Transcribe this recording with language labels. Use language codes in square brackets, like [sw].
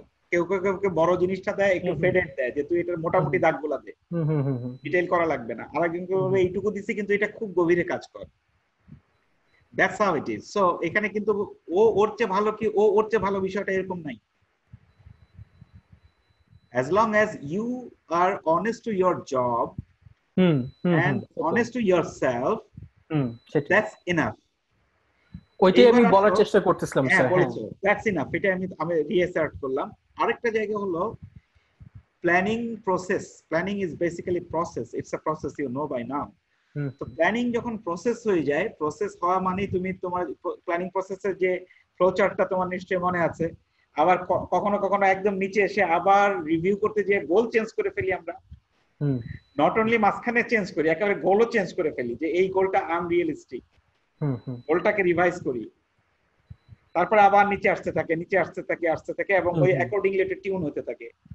[bn] কেউ কেউ কেউ বড় জিনিসটা দেয়, একটু ফেডেড দেয় যে তুই এটার মোটামুটি দাগ গুলা দে, ডিটেইল করা লাগবে না। আর একজন কেউ এইটুকু দিছি কিন্তু এটা খুব গভীরে কাজ কর, [en] That's how it is. [bn] So এখানে কিন্তু ও ওর চেয়ে ভালো কি ও ওর চেয়ে ভালো বিষয়টা এরকম নাই। [en] As long as you are honest to your job and honest to yourself, that's enough. [bn] ওইটাই আমি বলার চেষ্টা করতেছিলাম স্যার। হ্যাঁ বলেছো, [en] that's enough, [bn] এটা আমি রিঅ্যাসার্ট করলাম। আরেকটা জায়গা হলো planning process. [en] Planning is basically process, it's a process, you know by now. [bn] তো প্ল্যানিং যখন প্রসেস হয়ে যায়, প্রসেস হওয়া মানে তুমি তোমার প্ল্যানিং প্রসেসের যে ফ্লোচার্টটা তোমার নিশ্চয়ই মনে আছে, আবার কখনো কখনো একদম নিচে এসে আবার রিভিউ করতে যে গোল চেঞ্জ করে ফেলি আমরা, [en] not only [bn] মাঝখানে চেঞ্জ করি, একেবারে গোলও চেঞ্জ করে ফেলি যে এই গোলটা আনরিয়েলিস্টিক, গোলটাকে রিভাইজ করি, তারপরে আবার নিচে আসতে থাকে, নিচে আসতে থাকে, আসতে থাকে, এবং ওই অ্যাকর্ডিংলি একটা টিউন হতে থাকে।